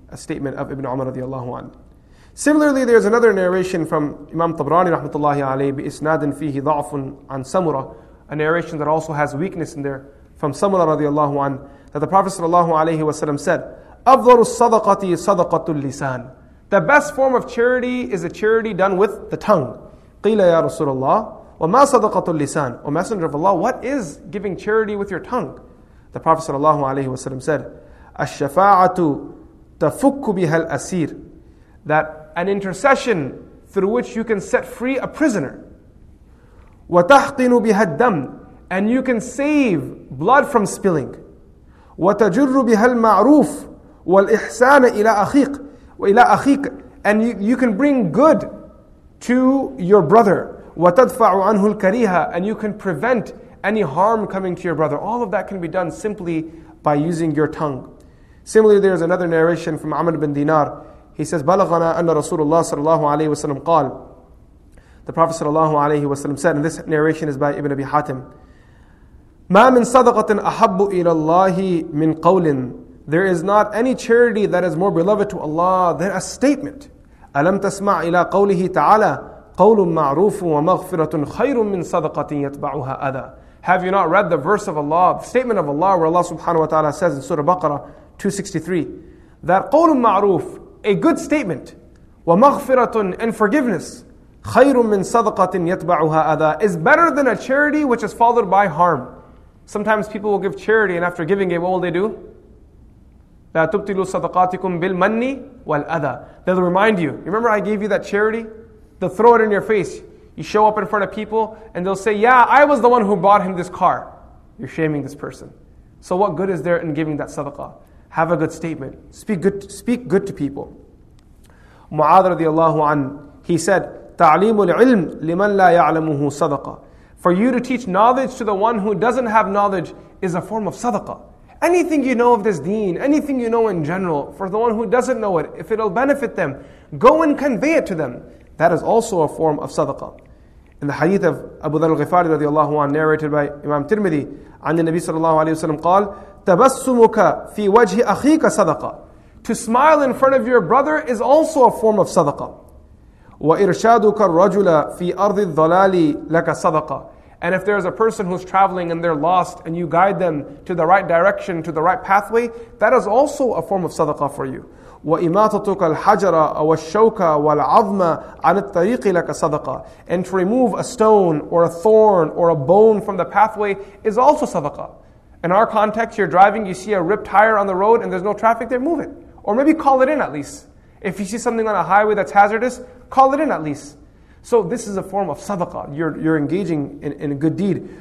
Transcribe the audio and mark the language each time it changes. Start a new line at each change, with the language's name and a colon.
English: A statement of Ibn Umar radiallahu anhu. Similarly, there's another narration from Imam Tabrani rahmatullahi alayhi
Arabic: bi isnadin fihi da'afun an Samura,
English: a narration that also has weakness in there from Samura radiallahu anhu, that the Prophet sallallahu alayhi wa sallam said,
Arabic: أَفْضَلُ الصَّدَقَةِ صَدَقَةُ
English: lisan. The best form of charity is a charity done with the tongue.
Arabic: قِيلَ يَا رَسُولَ اللَّهِ وَمَا صَدَقَةُ lisan.
English: O Messenger of Allah, what is giving charity with your tongue? The Prophet sallallahu alayhi wa sallam said,
Arabic: الشَّفَاعَةُ تَفُكُّ بِهَا الْأَسِيرِ
English: That an intercession through which you can set free a prisoner.
Arabic: وَتَحْقِنُ بِهَا الدَّمِ
English: And you can save blood from spilling.
Arabic: وَتَجُرُّ بِهَا الْمَعْرُوفِ وَالْإِحْسَانَ إِلَىٰ أَخِيكَ
English: And you can bring good to your brother.
Arabic: وَتَدْفَعُ عَنْهُ الْكَرِيهَ
English: And you can prevent any harm coming to your brother. All of that can be done simply by using your tongue. Similarly, there is another narration from Amr bin Dinar. He says,
Arabic: بَلَغَنَا أَنَّ رَسُولُ اللَّهِ صَلَى اللَّهُ عَلَيْهِ وَسَلَمْ قَالْ
English: The Prophet ﷺ said, and this narration is by Ibn Abi Hatim,
Arabic: ما من صدقة أحب إلى الله من قول.
English: There is not any charity that is more beloved to Allah than a statement.
Arabic: ألم تسمع إلى قوله تعالى قول معروف ومغفرة خير من صدقة يتبعها أذى.
English: Have you not read the verse of Allah, the statement of Allah, where Allah subhanahu wa ta'ala says in Surah Baqarah 263, that
Arabic: قول معروف,
English: a good statement,
Arabic: ومغفرة
English: and forgiveness,
Arabic: خير من صدقة يتبعها أذى,
English: is better than a charity which is followed by harm. Sometimes people will give charity and after giving it, what will they do?
Arabic: لا تبطلوا صدقاتكم بالمن والأذى.
English: They'll remind you, remember I gave you that charity? They'll throw it in your face. You show up in front of people and they'll say, yeah, I was the one who bought him this car. You're shaming this person. So what good is there in giving that sadaqah? Have a good statement. Speak good to people. Mu'adh radiallahu anhu, he said,
Arabic: ta'limu al-ilm liman la ya'lamuhu sadaqah.
English: For you to teach knowledge to the one who doesn't have knowledge is a form of sadaqah. Anything you know of this deen, anything you know in general, for the one who doesn't know it, if it'll benefit them, go and convey it to them. That is also a form of sadaqah. In the hadith of Abu Dhar al-Ghifari radiallahu anhu, narrated by Imam Tirmidhi,
Arabic: عن النبي صلى الله عليه وسلم قال, تبسمك في وجه أخيك صدقة.
English: To smile in front of your brother is also a form of sadaqah.
Arabic: وإرشادك الرجل في أرض الضلال لك صدقة.
English: And if there is a person who's traveling and they're lost and you guide them to the right direction, to the right pathway, that is also a form of sadaqah for you.
Arabic: وإماطتك الحجر أو الشوكة والعظم عن الطريق لك صدقة.
English: And to remove a stone or a thorn or a bone from the pathway is also sadaqah. In our context, you're driving, you see a ripped tire on the road and there's no traffic there, move it. Or maybe call it in at least. If you see something on a highway that's hazardous, call it in at least. So this is a form of sadaqah. You're engaging in a good deed.